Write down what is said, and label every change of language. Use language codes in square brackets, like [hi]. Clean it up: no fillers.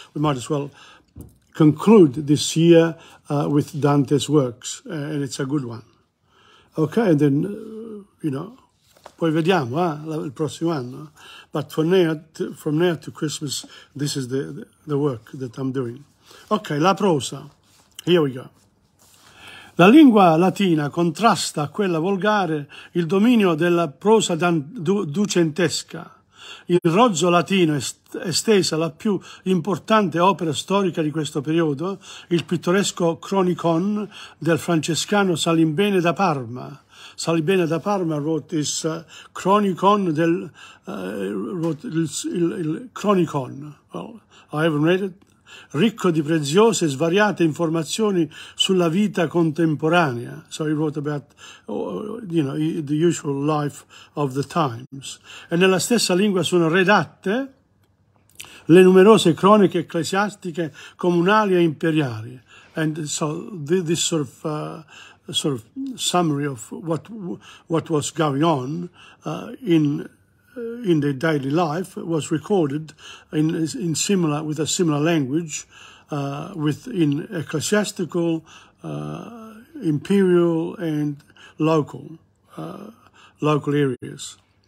[en] We might as well conclude this year with Dante's works, and it's a good one. Okay, and then, you know, [it] poi vediamo, il prossimo anno. [en] But from now to Christmas, this is the work that I'm doing. Okay, [it] la prosa. [en] Here we go. [it] La lingua latina contrasta a quella volgare il dominio della prosa ducentesca. Il rozzo latino estesa la più importante opera storica di questo periodo, il pittoresco Chronicon del francescano Salimbene da Parma. [en] Salimbene da Parma wrote this Chronicon del wrote il Chronicon. Well, I haven't read it. [it] Ricco di preziose e svariate informazioni sulla vita contemporanea. [en] So he wrote about, you know, the usual life of the times. [it] E nella stessa lingua sono redatte le numerose croniche ecclesiastiche, comunali e imperiali. [en] And so this sort of summary of what was going on in their daily life was recorded with a similar language, within ecclesiastical, imperial and local areas.